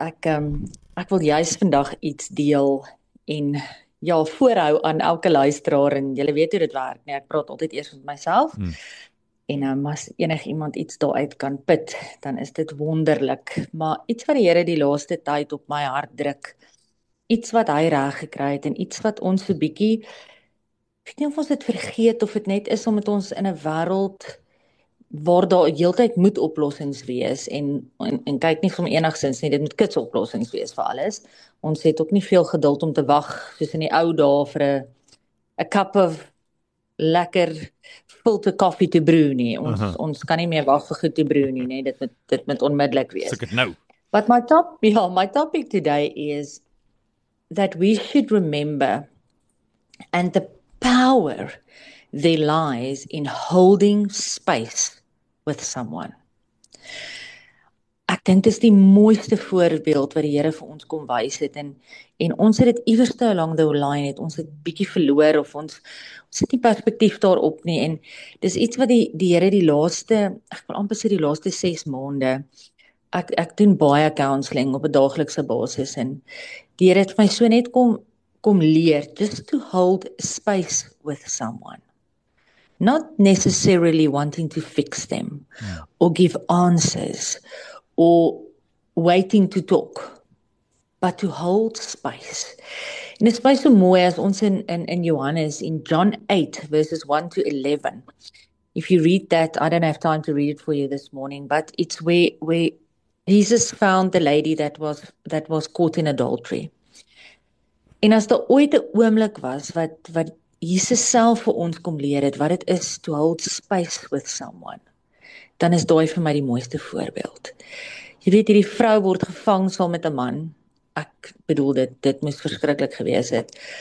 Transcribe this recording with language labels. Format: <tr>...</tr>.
<af>Ek wil juist vandag iets deel en ja, voorhou aan elke luisteraar en jy weet hoe dit werk, nee, ek praat altyd eers met myself. En nou, as enig iemand iets daaruit kan put, dan is dit wonderlik. Maar iets wat die Here die laaste tyd op my hart druk, iets wat hy reg gekry het en iets wat ons so bietjie, ek weet nie of ons dit vergeet of dit net is om met ons in 'n wêreld waar daar heeltyd moet oplossings wees en kyk nie van enigsins nie, dit moet kits oplossings wees vir alles. Ons het ook nie veel geduld om te wag soos in die ou dae vir 'n cup of lekker filter koffie te brew nie. Ons kan nie meer wag vir goed te brew nie, nee. Dit moet onmiddellik wees. Soek dit nou.</af> <en>But my topic today is that we should remember and the power there lies in holding space with someone.</en> <af>Ek dink dis die mooiste voorbeeld wat die Here vir ons kom wys het en ons het dit iewers te</af> <en>along the line</en> <af>het ons het bietjie verloor of ons het nie perspektief daarop nie en dis iets wat die Here die laaste ek wil amper sê die laaste 6 maande ek doen baie counseling op 'n daaglikse basis en die Here het my so net kom leer</af> <en>just to hold space with someone. Not necessarily wanting to fix them or give answers or waiting to talk, but to hold space.</en> <af>En dit is so mooi as ons in Johannes, in</af> <en>John 8, verses 1 to 11. If you read that, I don't have time to read it for you this morning, but it's where Jesus found the lady that was caught in adultery.</en> <af>En as daar ooit 'n oomblik was wat Jesus self vir ons kom leer het, wat dit is</af> <en>to hold space with someone,</en> <af>dan is daai vir my die mooiste voorbeeld. Jy weet, hierdie vrou word gevang saam met 'n man. Ek bedoel, dit moes verskriklik gewees het.</af>